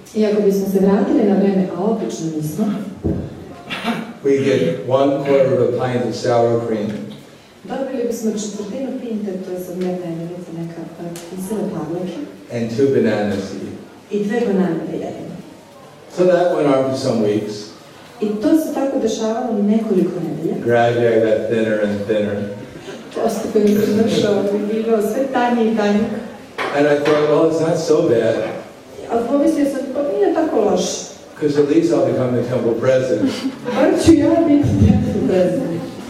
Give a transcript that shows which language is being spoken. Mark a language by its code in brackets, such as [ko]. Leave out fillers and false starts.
[sr] Iako bismo se vratili na vreme, a obično nismo. [en] We get one quarter of a pint of sour cream. [sr] Dobili bismo četvrtinu pinte, to je sad jedna jedinica neka kisela pavlovka. [en] And two bananas to eat. [sr] I dve banane da jedemo. [en] So that went on for some weeks. [sr] I to se tako dešavalo nekoliko nedelja. [en] Gradually I got thinner and thinner. [sr] Postupno sam došao, bilo sve tanje i tanje. [en] And I thought, well, it's not so bad. [sr] Ali pomislio sam, pa nije tako loš. [en] Because at least I'll become the temple president. [sr] Bar ću ja biti temple president.